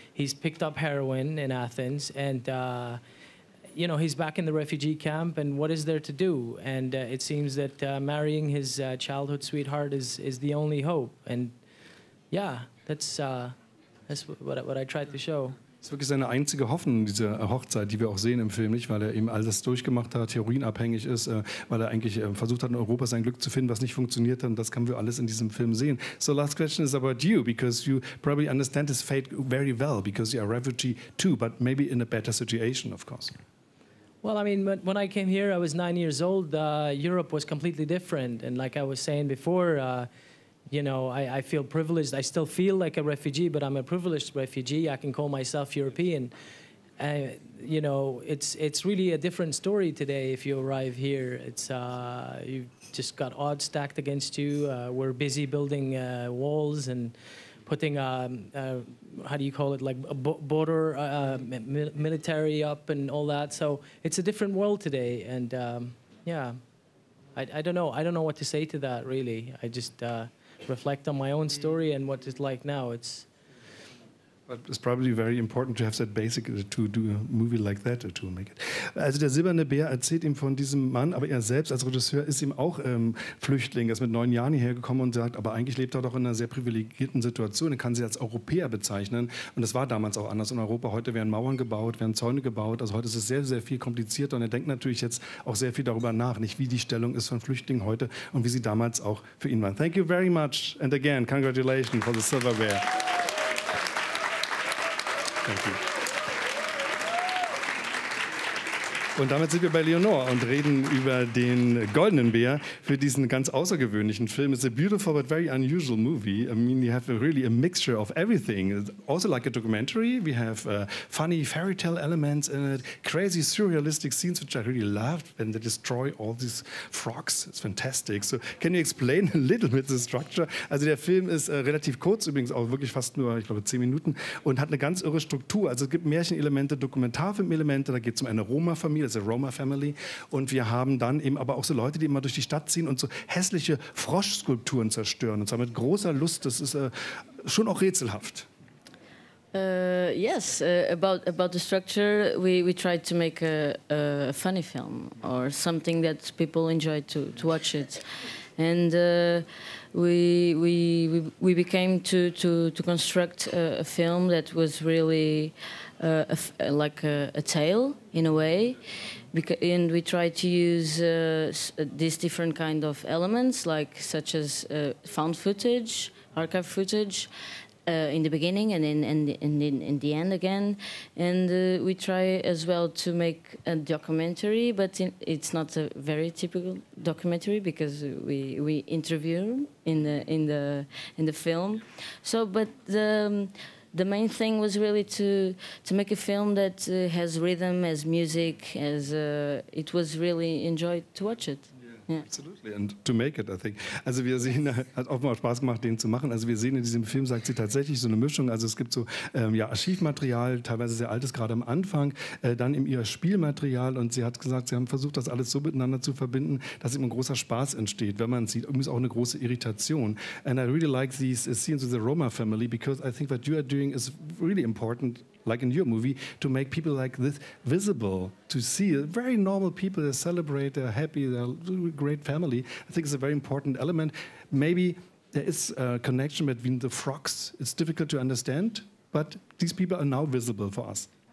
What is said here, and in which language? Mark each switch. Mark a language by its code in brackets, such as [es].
[en] He's picked up heroin in Athens and, you know, he's back in the refugee camp and what is there to do? And it seems that marrying his childhood sweetheart is the only hope. And yeah, that's what I tried to show. [de] Das ist wirklich seine einzige Hoffnung, diese Hochzeit, die wir auch sehen im Film, nicht? Weil er eben alles durchgemacht hat, heroinabhängig ist, weil er eigentlich versucht hat, in Europa sein Glück zu finden, was nicht funktioniert hat. Und das können wir alles in diesem Film sehen. [en] So, last question is about you, because you probably understand this fate very well, because you are a refugee too, but maybe in a better situation, of course. Well, I mean, when I came here, I was 9 years old. Europe was completely different. And like I was saying before, you know, I feel privileged. I still feel like a refugee, but I'm a privileged refugee. I can call myself European. You know, it's really a different story today if you arrive here. It's you've just got odds stacked against you. We're busy building walls and putting, how do you call it, like a border military up and all that. So it's a different world today. And yeah, I don't know. I don't know what to say to that, really. I just... reflect on my own story and what it's like now. It's probably very important to have that basic to do a movie like that or to make it. [de] Also der Silberne Bär erzählt ihm von diesem Mann, aber er selbst als Regisseur ist ihm auch Flüchtling. Er ist mit 9 Jahren hierher gekommen und sagt, aber eigentlich lebt er doch in einer sehr privilegierten Situation. Er kann sich als Europäer bezeichnen. Und das war damals auch anders in Europa. Heute werden Mauern gebaut, werden Zäune gebaut. Also heute ist es sehr, sehr viel komplizierter. Und er denkt natürlich jetzt auch sehr viel darüber nach, nicht wie die Stellung ist von Flüchtlingen heute und wie sie damals auch für ihn waren. [en] Thank you very much. And again, congratulations for the Silver Bear. Thank you. [de] Und damit sind wir bei Leonore und reden über den Goldenen Bär für diesen ganz außergewöhnlichen Film. [en] It's a beautiful but very unusual movie. I mean, you have really a mixture of everything. It's also like a documentary. We have funny fairy tale elements in it, crazy surrealistic scenes, which I really loved when they destroy all these frogs. It's fantastic. So can you explain a little bit the structure? [de] Also der Film ist relativ kurz übrigens, auch wirklich fast nur, ich glaube, 10 Minuten und hat eine ganz irre Struktur. Also es gibt Märchenelemente, Dokumentarfilmelemente, da geht es um eine Roma-Familie. Das ist eine Roma-Family. Und wir haben dann eben aber auch so Leute, die immer durch die Stadt ziehen und so hässliche Froschskulpturen zerstören. Und zwar mit großer Lust. Das ist schon auch rätselhaft. [en] Yes, about the structure, we tried to make a funny film or something that people enjoy to watch it. And we became to construct a film that was really... like a tale in a way, and we try to use these different kind of elements, like such as found footage, archive footage, in the beginning and in the end again, and we try as well to make a documentary, but it's not a very typical documentary because we interview in the film, so but the. The main thing was really to make a film that has rhythm, has music, has it was really enjoyed to watch it. Absolutely, and to make it, I think. [de] Also wir sehen, hat offenbar Spaß gemacht, den zu machen. Also wir sehen in diesem Film, sagt sie, tatsächlich so eine Mischung. Also es gibt so ja, Archivmaterial, teilweise sehr altes, gerade am Anfang, dann eben ihr Spielmaterial. Und sie hat gesagt, sie haben versucht, das alles so miteinander zu verbinden, dass eben ein großer Spaß entsteht, wenn man sieht. Übrigens auch eine große Irritation. [en] And I really like these scenes with the Roma family, because I think what you are doing is really important, like in your movie, to make people like this visible, to see very normal people that celebrate, they're happy, they're a great family. I think it's a very important element. Maybe there is a connection between the frogs. It's difficult to understand, but these people are now visible for us.